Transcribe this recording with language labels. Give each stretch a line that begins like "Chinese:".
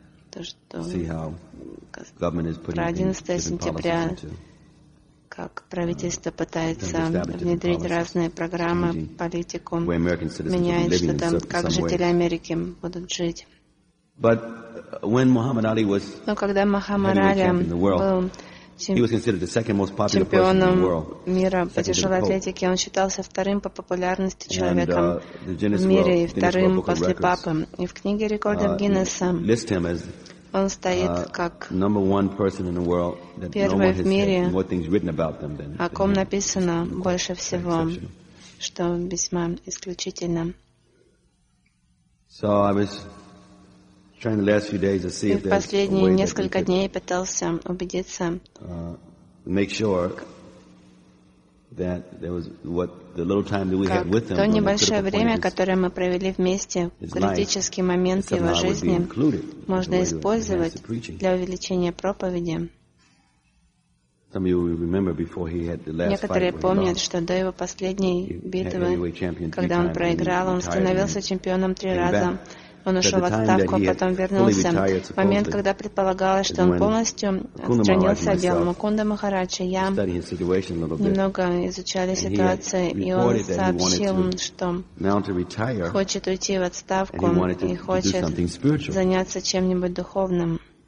Russian: То, что про 11 сентября, как правительство пытается внедрить разные программы, политику, меняет что-то, как жители Америки будут жить.
English: But when Muhammad Ali was champion in the world, he was considered the second most popular person in the world.
Russian: Мира по тяжелой атлетике он считался вторым по популярности человеком в мире и вторым после папы. И в книге рекордов Гиннесса он стоит как
English: number one person in the world that no one has said more things written about them than.
Russian: О ком написано больше всего, что весьма исключительно.
English: So I was. Trying the last few days to see if there's a way that we could make sure that there was what the little time that we had with him.
Russian: То небольшое время, которое мы провели вместе, критический момент его жизни, можно использовать для увеличения проповеди.
English: Some of you will remember before he had the last fight.
Russian: Некоторые помнят, что до его последней битвы, когда он проиграл, он становился чемпионом три раза. Он ушел в отставку, потом вернулся. В момент, когда предполагалось, что он полностью отстранился от дела, Мукунда Махарадж и я немного изучали ситуацию, и он сообщил, что хочет уйти в отставку и хочет заняться чем-нибудь духовным.